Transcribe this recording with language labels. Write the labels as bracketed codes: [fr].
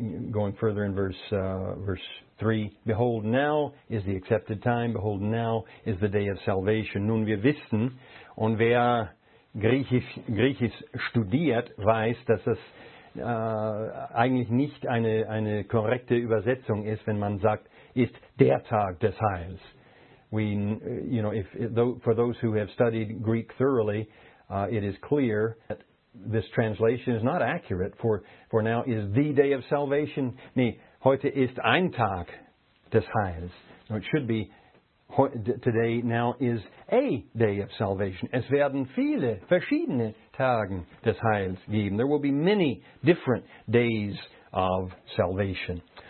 [en] Going further in verse 3, behold, now is the accepted time, behold, now is the day of salvation. [de] Nun, wir wissen, und wer Griechisch studiert, weiß, dass das eigentlich nicht eine korrekte Übersetzung ist, wenn man sagt, ist der Tag des Heils. [en] We, you know, for those who have studied Greek thoroughly, it is clear that this translation is not accurate. For now is the day of salvation. [de] Nee, heute ist ein Tag des Heils. [en] So it should be today, now is a day of salvation. [de] Es werden viele verschiedene Tagen des Heils geben. [en] There will be many different days of salvation.